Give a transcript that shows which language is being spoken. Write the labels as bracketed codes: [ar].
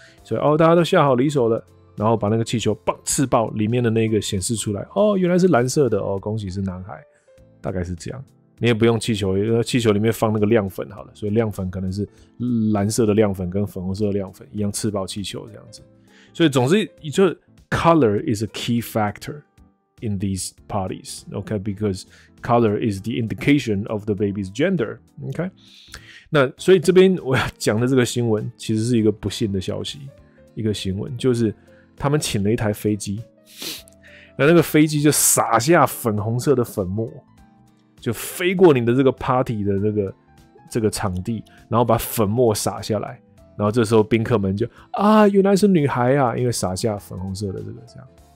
[zh] 所以哦，大家都下好离手了，然后把那个气球砰刺爆，里面的那个显示出来，哦，原来是蓝色的，哦，恭喜是男孩，大概是这样。你也不用气球，气球里面放那个亮粉好了，所以亮粉可能是蓝色的亮粉跟粉红色的亮粉一样，刺爆气球这样子。所以总之，就 [en] color is a key factor in these parties， OK？ Because color is the indication of the baby's gender， OK？ [zh] 那所以这边我要讲的这个新闻其实是一个不幸的消息，一个新闻就是他们请了一台飞机，那个飞机就撒下粉红色的粉末。就飞过你的这个 party 的这个场地，然后把粉末撒下来，然后这时候宾客们就啊，原来是女孩啊，因为撒下粉红色的这个这样。